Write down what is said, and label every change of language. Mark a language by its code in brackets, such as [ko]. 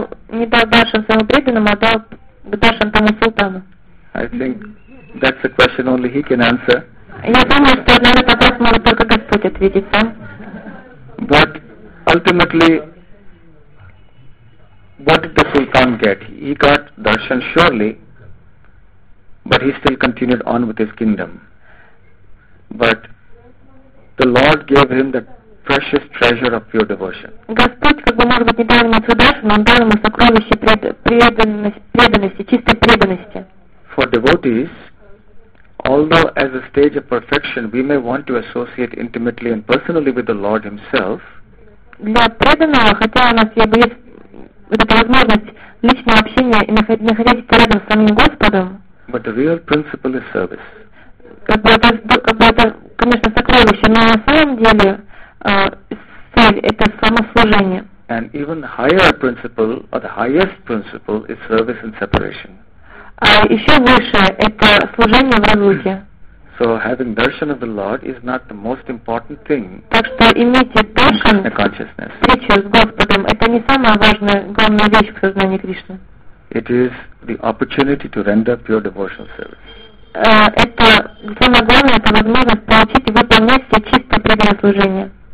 [ru] Не дал даршан своему преданному, а дал даршан тому султану. [en] I think that's a question only he can answer. [ru] Я думаю, что на этот вопрос может только Господь ответить сам. [en] But ultimately, what did the Sultan get? He got darshan surely, but he still continued on with his kingdom. But the Lord gave him the precious treasure of pure devotion. [ru] Господь, как бы, может быть, не дал ему свой даршан, но он дал ему сокровище преданности, чистой преданности. [en] For devotees, although as a stage of perfection, we may want to associate intimately and personally with the Lord Himself. [ru] Для преданного, хотя у нас есть эта возможность личного общения и находиться рядом с самим Господом. [en] But the real principle is service. [ru] Это, конечно, сокровище, но на самом деле цель это самослужение. [en] And even higher principle, or the highest principle, is service and separation. [ru] А еще выше – это служение в разлуке. [en] So having darshan of the Lord is not the most important thing. [ru] Так что иметь даршан, встречу с Господом – это не самая важная, главная вещь в сознании Кришны. [en] It is the opportunity to render pure devotional service. [ru] Это самое главное – это возможность получить и выполнять все чистое преданное служение.